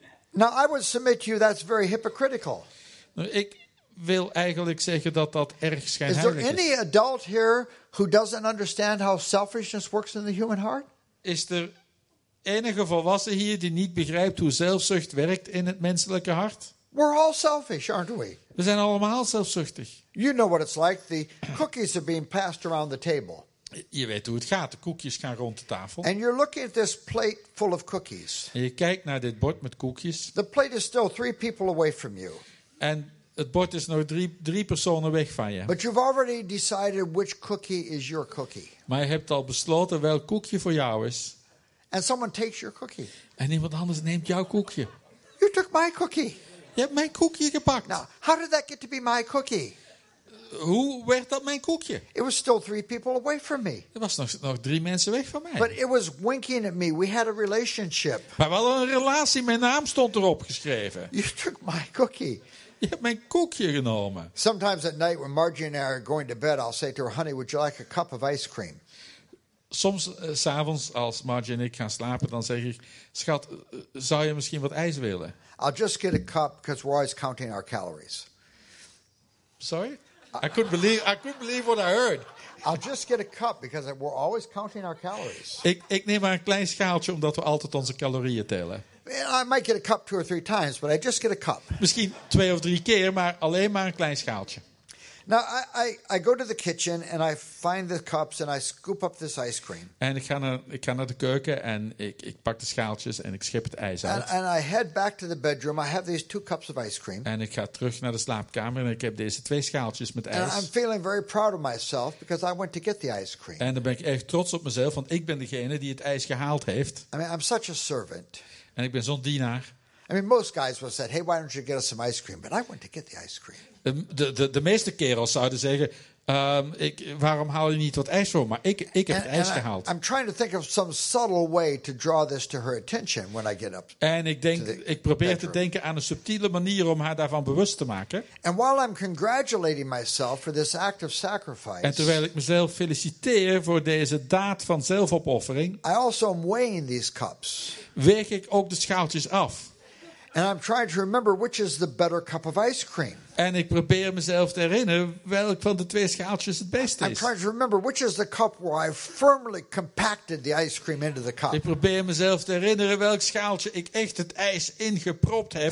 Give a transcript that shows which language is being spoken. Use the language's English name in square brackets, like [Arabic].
[English] Now I would submit to you that's very hypocritical. [Dutch] Nou, ik wil eigenlijk zeggen dat erg schijnheilig [English] is. Is there any adult here who doesn't understand how selfishness works in the human heart? [Dutch] Is er enige volwassen hier die niet begrijpt hoe zelfzucht werkt in het menselijke hart? [English] We're all selfish, aren't we? [Dutch] We zijn allemaal zelfzuchtig. [English] You know what it's like. The cookies are being passed around the table. [Dutch] Je weet hoe het gaat. De koekjes gaan rond de tafel. [English] And you're looking at this plate full of cookies. [Dutch] En je kijkt naar dit bord met koekjes. [English] The plate is still 3 people away from you. [Dutch] En het bord is nog 3 personen weg van je. [English] But you've already decided which cookie is your cookie. [Dutch] Maar je hebt al besloten welk koekje voor jou is. [English] And someone takes your cookie. [Dutch] En iemand anders neemt jouw koekje. [English] You took my cookie. [Dutch] Je hebt mijn koekje gepakt. [English] Now, how did that get to be my cookie? [Dutch] Hoe werd dat mijn koekje? [English] It was still 3 people away from me. [Dutch] Er was nog 3 mensen weg van mij. [English] But it was winking at me. We had a relationship. [Dutch] Maar we hadden een relatie. Mijn naam stond erop geschreven. [English] You took my cookie. [Dutch] Je hebt mijn koekje genomen. [English] Sometimes at night when Margie and I are going to bed, I'll say to her, "Honey, would you like a cup of ice cream?" [Dutch] soms 's avonds als Marge en ik gaan slapen, dan zeg ik, schat, zou je misschien wat ijs willen? [English] I'll just get a cup because we're always counting our calories. Sorry? I couldn't believe what I heard. I'll just get a cup because we're always counting our calories. [Dutch] Ik neem maar een klein schaaltje omdat we altijd onze calorieën tellen. [English] I might get a cup two or three times, but I just get a cup. [Dutch] Misschien twee of drie keer, maar alleen maar een klein schaaltje. [English] Now I go to the kitchen and I find the cups and I scoop up this ice cream. [Dutch] En ik ga naar de keuken en ik pak de schaaltjes en ik schep het ijs uit. [English] And I head back to the bedroom. I have these two cups of ice cream. [Dutch] En ik ga terug naar de slaapkamer en ik heb deze twee schaaltjes met ijs. [English] And I'm feeling very proud of myself because I went to get the ice cream. [Dutch] En dan ben ik echt trots op mezelf, want ik ben degene die het ijs gehaald heeft. [English] I mean, I'm such a servant. [Dutch] En ik ben zo'n dienaar. [English] I mean, most guys would say, "Hey, why don't you get us some ice cream?" But I went to get the ice cream. [Dutch] De meeste kerels zouden zeggen, waarom haal je niet wat ijs voor? Maar ik heb het ijs gehaald. [English] I'm trying to think of some subtle way to draw this to her attention when I get up. [Dutch] En ik probeer te denken aan een subtiele manier om haar daarvan bewust te maken. [English] And while I'm congratulating myself for this act of sacrifice. [Dutch] En terwijl ik mezelf feliciteer voor deze daad van zelfopoffering. [English] I also am weighing these cups. [Dutch] Weeg ik ook de schaaltjes af. [English] And I'm trying to remember which is the better cup of ice cream. [Dutch] En ik probeer mezelf te herinneren welk van de twee schaaltjes het beste is. [English] I'm trying to remember which is the cup where I firmly compacted the ice cream into the cup. [Dutch] Ik probeer mezelf te herinneren welk schaaltje ik echt het ijs ingepropt heb.